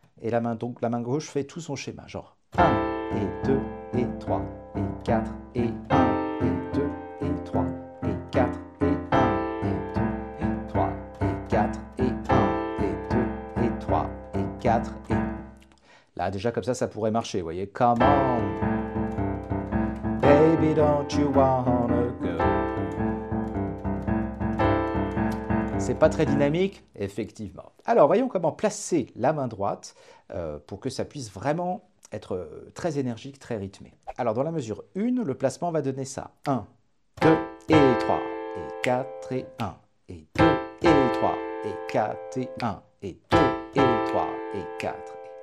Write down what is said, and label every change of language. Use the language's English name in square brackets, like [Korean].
[French] Et la main gauche fait tout son schéma. Genre 1 et 2 et 3 et 4 et 1 et 2 et 3 et 4 et 1 et 2 et 3 et 4 et 1 et 2 et 3 et 4 et 1. Là, déjà, comme ça pourrait marcher, vous voyez. [English] Come on, baby, don't you wanna go? [French] C'est pas très dynamique, effectivement. Alors, voyons comment placer la main droite pour que ça puisse vraiment être très énergique, très rythmé. Alors, dans la mesure 1, le placement va donner ça. 1, 2 et 3, et 4 et 1, et 2 et 3, et 4 et 1, et 2 et 3, et 4.